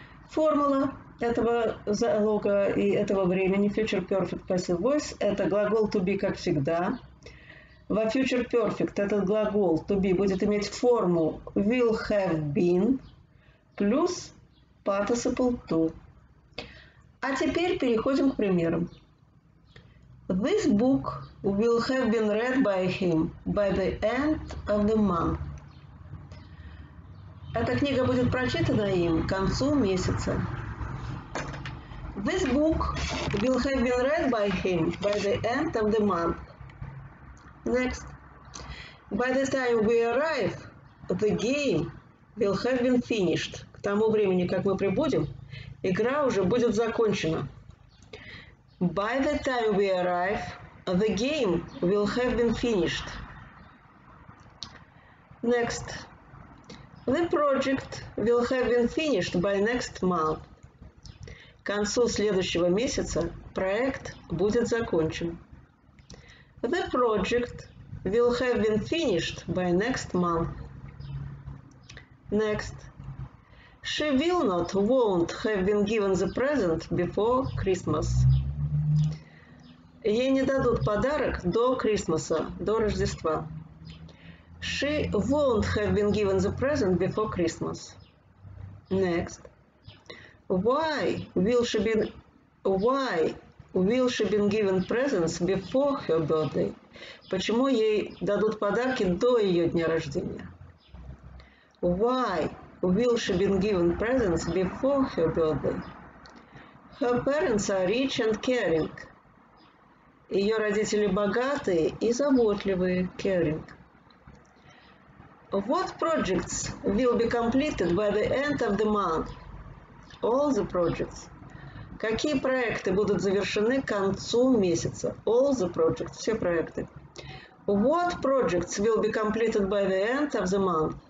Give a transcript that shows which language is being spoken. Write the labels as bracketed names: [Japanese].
[Russian] Формула этого залога и этого времени Future Perfect Passive Voice – это глагол to be, как всегда. Во Future Perfect этот глагол to be будет иметь форму will have been плюс participle to. А теперь переходим к примерам. [English] This book will have been read by him by the end of the month. [Russian] Эта книга будет прочитана им к концу месяца. [English] This book will have been read by him by the end of the month. Next. By the time we arrive, the game will have been finished. [Russian] К тому времени, как мы прибудем, игра уже будет закончена. [English] By the time we arrive, the game will have been finished. Next. The project will have been finished by next month. [Russian] К концу следующего месяца проект будет закончен. [English] The project will have been finished by next month. Next. She will not, won't have been given the present before Christmas. [Russian] Ей не дадут подарок до Крисмаса, до Рождества. [English] She won't have been given the present before Christmas. Next. Why will she be given presents before her birthday? [Russian] Почему ей дадут подарки до ее дня рождения? [English] Why will she be given presents before her birthday? Her parents are rich and caring. [Russian] Ее родители богатые и заботливые, [English] caring. What projects will be completed by the end of the month? All the projects. [Russian] Какие проекты будут завершены к концу месяца? [English] All the projects. [Russian] Все проекты. [English] What projects will be completed by the end of the month?